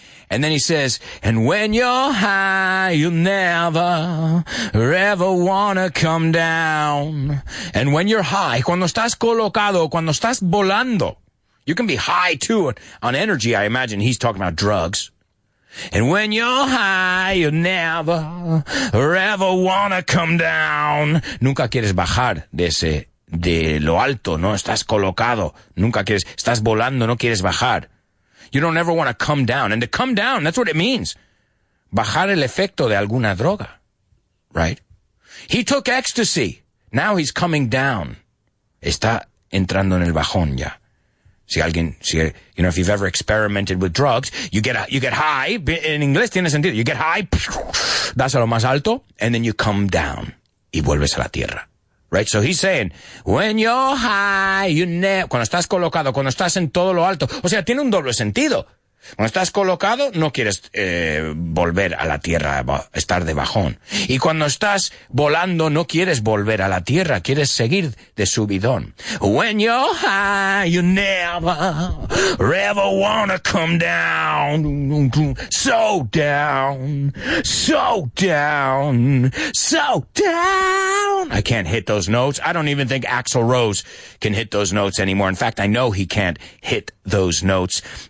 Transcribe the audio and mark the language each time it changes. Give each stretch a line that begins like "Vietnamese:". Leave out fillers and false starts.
English: And then he says, and when you're high, you never ever wanna come down. And when you're high,
Spanish: cuando estás colocado, cuando estás volando,
English: you can be high too on energy. I imagine he's talking about drugs. And when you're high, you never ever wanna come down.
Spanish: Nunca quieres bajar de ese, de lo alto, ¿no? Estás colocado. Nunca quieres, estás volando, no quieres bajar.
English: You don't ever want to come down. And to come down, that's what it means.
Spanish: Bajar el efecto de alguna droga.
English: Right? He took ecstasy. Now he's coming down.
Spanish: Está entrando en el bajón ya. Si alguien, si,
English: you know, if you've ever experimented with drugs, you get high.
Spanish: En inglés tiene sentido.
English: You get high,
Spanish: das a lo más alto,
English: and then you come down.
Spanish: Y vuelves a la tierra.
English: Right, so he's saying, when you're high, you never,
Spanish: cuando estás colocado, cuando estás en todo lo alto. O sea, tiene un doble sentido. Cuando estás colocado, no quieres, volver a la tierra, estar de bajón. Y cuando estás volando, no quieres volver a la tierra, quieres seguir de subidón.
English: When you're high, you never, ever wanna come down. So down. So down. So down. I can't hit those notes. I don't even think Axl Rose can hit those notes anymore. In fact, I know he can't hit those notes.